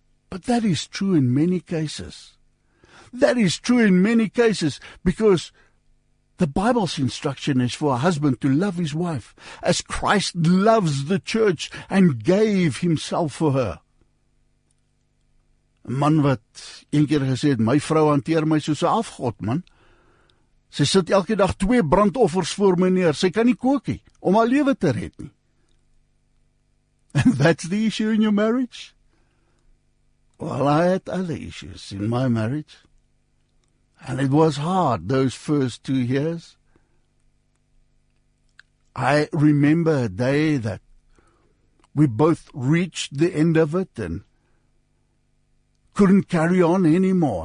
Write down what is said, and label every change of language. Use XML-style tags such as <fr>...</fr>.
<en>But that is true in many cases. That is true in many cases because the Bible's instruction is for a husband to love his wife as Christ loves the church and gave himself for her.</en> <af>Man wat een keer gesê het, my vrou hanteer my soos 'n afgod, man. Sy sit elke dag 2 brandoffers voor my neer. Sy kan nie kook nie om haar lewe te red nie.</af> <en>And that's the issue in your marriage? Well, I had other issues in my marriage. And it was hard, those first 2 years. I remember a day that we both reached the end of it and couldn't carry on anymore.</en>